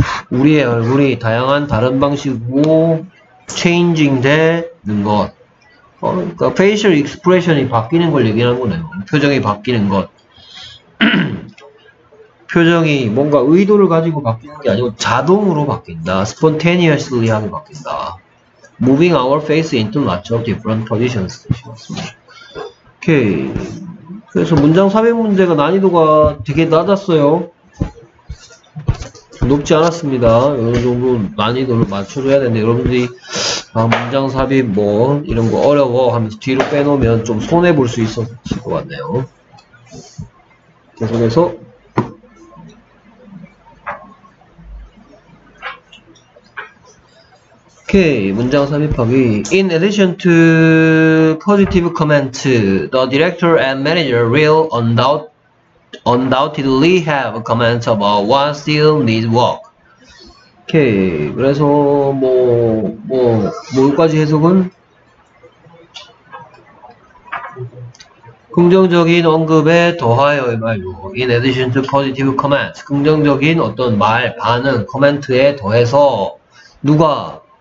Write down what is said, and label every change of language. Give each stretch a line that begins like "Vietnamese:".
Korean: 우리의 얼굴이 다양한 다른 방식으로 changing 되는 것. 그러니까 facial expression이 바뀌는 걸 얘기하는 거네요. 표정이 바뀌는 것. 표정이 뭔가 의도를 가지고 바뀌는 게 아니고 자동으로 바뀐다. spontaneously 하게 바뀐다.
English: moving our face into lots of different positions.
Korean: 오케이. 그래서 문장 300문제가 난이도가 되게 낮았어요. 높지 않았습니다. 어느 정도 난이도를 맞춰줘야 되는데, 여러분들이 아, 문장 삽입 뭐 이런 거 어려워 하면서 뒤로 빼놓으면 좀 손해 볼수 있었을 것 같네요. 계속해서. 오케이, 문장 삽입하기.
English: In addition to positive comments, the director and manager will undoubtedly have comments about what still needs work.
Korean: 오케이, 그래서 뭘까지 해석은? 긍정적인 언급에 더하여의 말로.
English: In addition to positive comments,
Korean: 긍정적인 어떤 말, 반응, 코멘트에 더해서 누가?